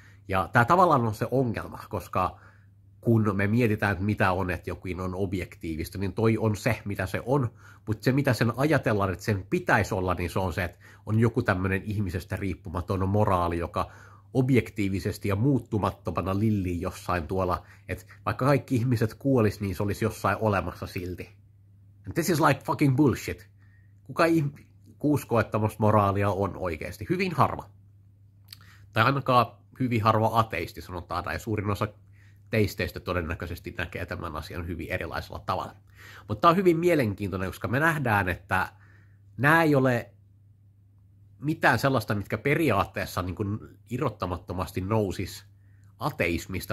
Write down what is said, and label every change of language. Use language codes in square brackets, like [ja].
[fi] Ja tämä tavallaan on se ongelma, koska kun me mietitään, että mitä on, että jokin on objektiivista, niin toi on se, mitä se on. Mutta se, mitä sen ajatellaan, että sen pitäisi olla, niin se on se, että on joku tämmöinen ihmisestä riippumaton moraali, joka objektiivisesti ja muuttumattomana lillii jossain tuolla. Että vaikka kaikki ihmiset kuolis, niin se olisi jossain olemassa silti. [en] And this is like fucking bullshit. [fi] Kuka uskoo, että tämmöistä moraalia on oikeasti? Hyvin harva. Tai ainakaan hyvin harva ateisti, sanotaan, tai suurin osa teisteistä todennäköisesti näkee tämän asian hyvin erilaisella tavalla. Mutta tämä on hyvin mielenkiintoinen, koska me nähdään, että nämä ei ole mitään sellaista, mitkä periaatteessa niin kuin irrottamattomasti nousisi ateismista.